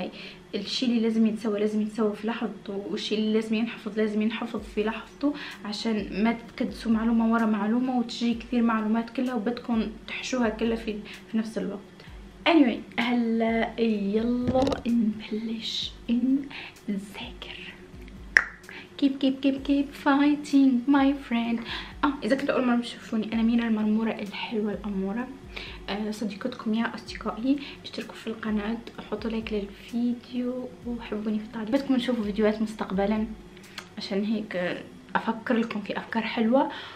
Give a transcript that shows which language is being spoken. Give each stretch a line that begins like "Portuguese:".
Arabic: هاي الشيء اللي لازم يتسوى لازم يتسوى في لحظته، والشيء اللي لازم ينحفظ لازم ينحفظ في لحظته، عشان ما تكدسوا معلومة ورا معلومة وتجي كثير معلومات كلها وبدكم تحشوها كلها في نفس الوقت. anyway هلا يلا نبلش نذاكر.
English: keep fighting my friend.
Arabic: اذا كنت اول مره بتشوفوني انا مينا المرموره الحلوه الاموره، صديقتكم يا اصدقائي. اشتركوا في القناه وحطوا لايك للفيديو وحبوني في التعليق. بدكم تشوفوا فيديوهات مستقبلا عشان هيك افكر لكم في افكار حلوه.